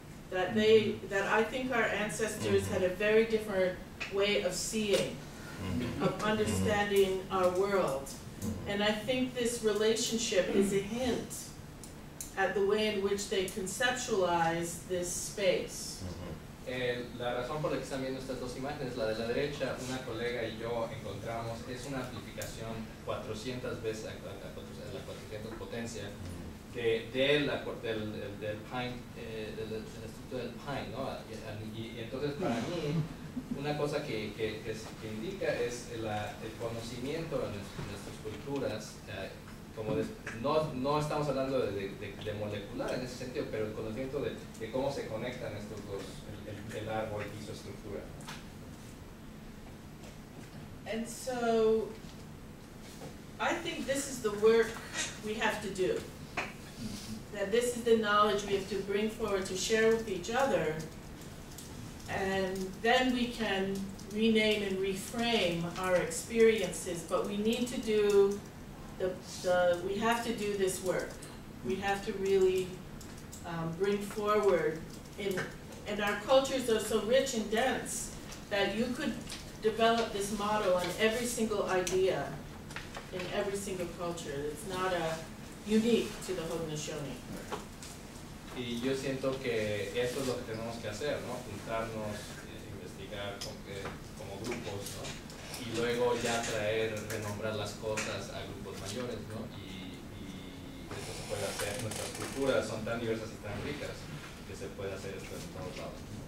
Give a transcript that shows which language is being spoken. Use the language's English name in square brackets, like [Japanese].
[English] That I think our ancestors had a very different way of seeing, of understanding our world. And I think this relationship is a hint at the way in which they conceptualized this space. [Spanish] La razón por la que están viendo estas dos imágenes, la de la derecha, una colega y yo encontramos, es una amplificación 400 veces a la 400 potencia del pine, ¿no? Y entonces para mí, una cosa que indica es el conocimiento de nuestras culturas, no estamos hablando de molecular en ese sentido, pero el conocimiento de cómo se conectan estos dos, el árbol y su estructura. [English] And so, I think this is the work we have to do. That this is the knowledge we have to bring forward to share with each other, and then we can rename and reframe our experiences, but we need to do we have to do this work. We have to really bring forward and our cultures are so rich and dense that you could develop this model on every single idea in every single culture. It's not a unique to the Haudenosaunee. [Spanish] Y yo siento que eso es lo que tenemos que hacer, ¿no? Juntarnos, investigar como grupos, ¿no? Y luego ya traer, renombrar las cosas a grupos mayores, ¿no? Y eso se puede hacer. Nuestras culturas son tan diversas y tan ricas que se puede hacer esto en todos lados.